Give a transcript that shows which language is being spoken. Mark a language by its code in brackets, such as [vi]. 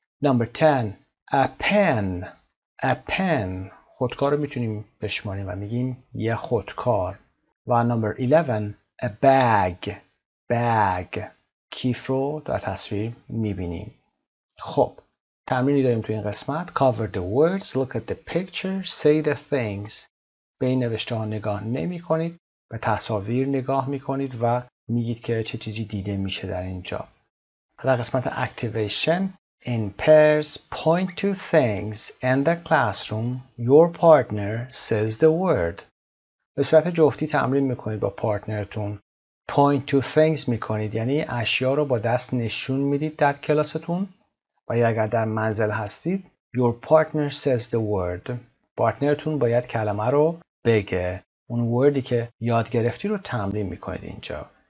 [en] Number 10 a pen. A pen [fa] خودکار رو میتونیم بشمانیم و میگیم یه خودکار. [en] و number 11 a bag. [fa] Bag کیف رو در تصویر میبینیم. خب تمرینی داریم تو این قسمت. [en] Cover the words, look at the picture, say the things. [fa] به این نوشته ها نگاه نمی کنید. به تصاویر نگاه می کنید و میگید که چه چیزی دیده میشه در اینجا. در قسمت [en] activation, in pairs, point to things in the classroom, your partner says the word. [fa] به صورت جفتی تمرین میکنید با پارتنرتون. [en] Point to things [fa] میکنید. یعنی اشیا رو با دست نشون میدید در کلاستون. و اگر در منزل هستید. [en] Your partner says the word. [fa] پارتنرتون باید کلمه رو بگه. اون وردی که یاد گرفتی رو تمرین میکنید اینجا.